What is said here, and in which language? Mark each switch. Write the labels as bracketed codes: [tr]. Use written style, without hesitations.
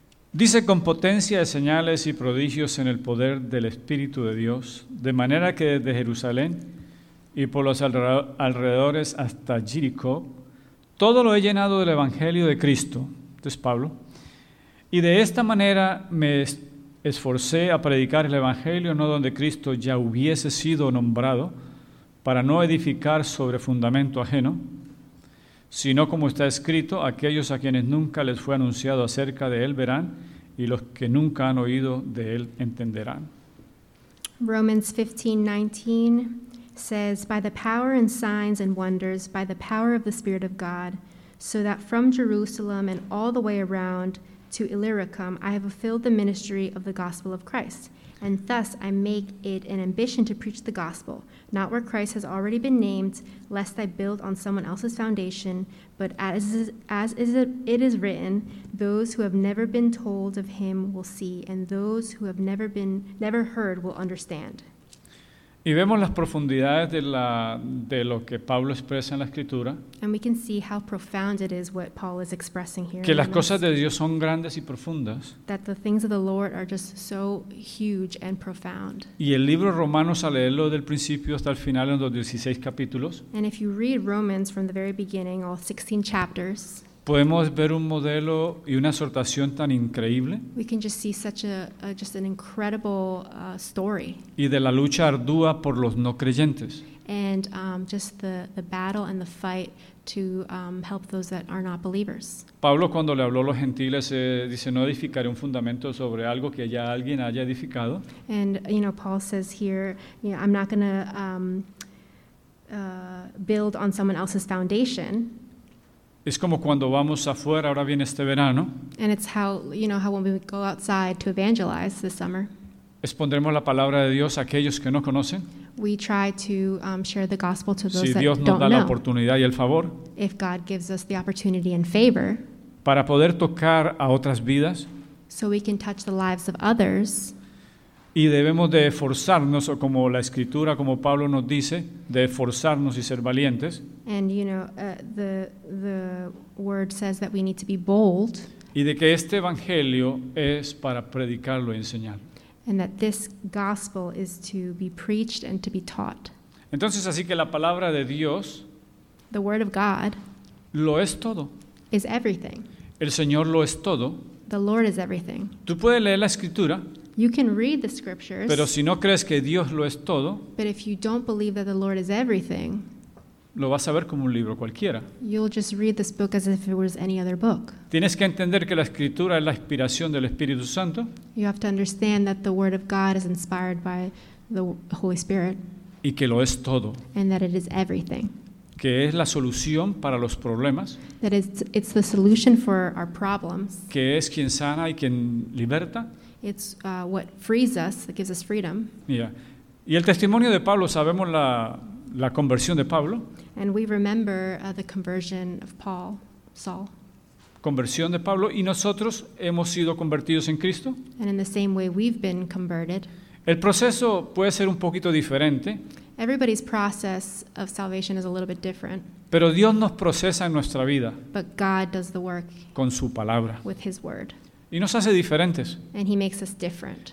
[es] Dice con potencia de señales y prodigios en el poder del Espíritu de Dios, de manera que desde Jerusalén y por los alrededores hasta Jericó, todo lo he llenado del Evangelio de Cristo, esto es Pablo, y de esta manera me esforcé a predicar el Evangelio, no donde Cristo ya hubiese sido nombrado, para no edificar sobre fundamento ajeno, sino como está escrito, aquellos a quienes nunca les fue anunciado acerca de él verán, y los que nunca han oído de él entenderán. [en] Romans 15:19 says, by the power and signs and wonders, by the power of the Spirit of God, so that from Jerusalem and all the way around to Illyricum, I have fulfilled the ministry of the gospel of Christ. And thus I make it an ambition to preach the gospel, not where Christ has already been named, lest I build on someone else's foundation, but as it is written, those who have never been told of him will see, and those who have never heard will understand. [es] Y vemos las profundidades de lo que Pablo expresa en la Escritura. [en] And we can see how profound it is what Paul is expressing here. [es] Que las cosas de Dios son grandes y profundas. [en] That the things of the Lord are just so huge and profound. [es] Y el libro Romanos, al leerlo del principio hasta el final en los 16 capítulos. [en] And if you read Romans from the very beginning, all 16 chapters. [es] Podemos ver un modelo y una exhortación tan increíble. [en] We can just see such just an incredible story. [es] Y de la lucha ardua por los no creyentes. [en] And just the battle and the fight to help those that are not believers. [es] Pablo, cuando le habló a los gentiles, dice, no edificaré un fundamento sobre algo que ya alguien haya edificado. [en] And, you know, Paul says here, you know, I'm not going to build on someone else's foundation. [es] Es como cuando vamos afuera, ahora viene este verano. [en] And it's how, you know, how when we go outside to evangelize this summer. [es] Expondremos la palabra de Dios a aquellos que no conocen. [en] We try to share the gospel to those [es] si [en] that [es] Dios [en] don't [es] Si Dios nos da la oportunidad y el favor. [en] If God gives us the opportunity and favor. [es] Para poder tocar a otras vidas. [en] So we can touch the lives of others. [es] Y debemos de esforzarnos, o como la Escritura, como Pablo nos dice, de esforzarnos y ser valientes. [en] And, you know, the word says that we need to be bold. [es] Y de que este evangelio es para predicarlo y enseñar. [en] And that this gospel is to be preached and to be taught. [es] Entonces, así que la palabra de Dios, [en] the word of God, [es] lo es todo. [en] Is everything. [es] El Señor lo es todo. [en] The Lord is everything. [es] Tú puedes leer la Escritura. [en] You can read the scriptures. [es] Pero si no crees que Dios lo es todo, [en] but if you don't believe that the Lord is everything, [es] lo vas a ver como un libro cualquiera. [en] You'll just read this book as if it was any other book. [es] Tienes que entender que la escritura es la inspiración del Espíritu Santo. [en] You have to understand that the word of God is inspired by the Holy Spirit. [es] Y que lo es todo. [en] And that it is everything. [es] Que es la solución para los problemas. [en] That it's the solution for our problems. [es] Que es quien sana y quien liberta. [en] It's what frees us, that gives us freedom. Yeah. [es] Y el testimonio de Pablo, sabemos la conversión de Pablo. [en] And we remember the conversion of Paul, Saul. [es] Conversión de Pablo, y nosotros hemos sido convertidos en Cristo. [en] And in the same way we've been converted. [es] El proceso puede ser un poquito diferente. [en] Everybody's process of salvation is a little bit different. [es] Pero Dios nos procesa en nuestra vida. [en] But God does the work. [es] Con su palabra. [en] With his word. [es] Y nos hace diferentes. [en] And he makes us different.